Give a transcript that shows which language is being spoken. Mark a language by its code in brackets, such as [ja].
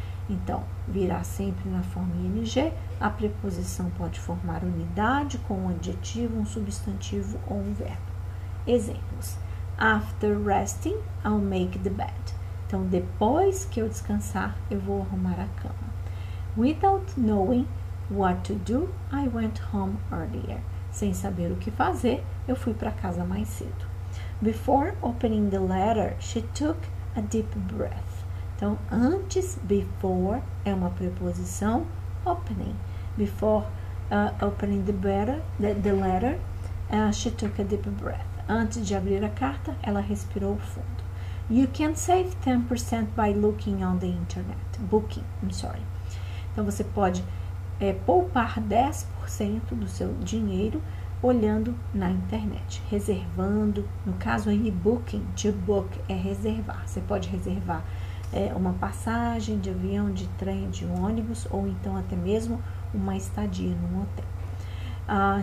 [pt] Então, virá sempre na forma ing. A preposição pode formar unidade com um adjetivo, um substantivo ou um verbo. [en] Exemplos: After resting, I'll make the bed. [pt] Então, depois que eu descansar, eu vou arrumar a cama. [en] Without knowing what to do, I went home earlier. [pt] Sem saber o que fazer, eu fui para casa mais cedo. [en] Before opening the letter, she took a deep breath. [pt] Então, antes, before, é uma preposição, opening. [en] Before opening the letter, she took a deep breath. [pt] Antes de abrir a carta, ela respirou fundo. [en] You can save 10% by looking on the internet. Booking, I'm sorry. [pt] Então você pode poupar 10% do seu dinheiro olhando na internet, reservando. No caso aí, booking, to book é reservar. Você pode reservar uma passagem de avião, de trem, de ônibus ou então até mesmo uma estadia num hotel.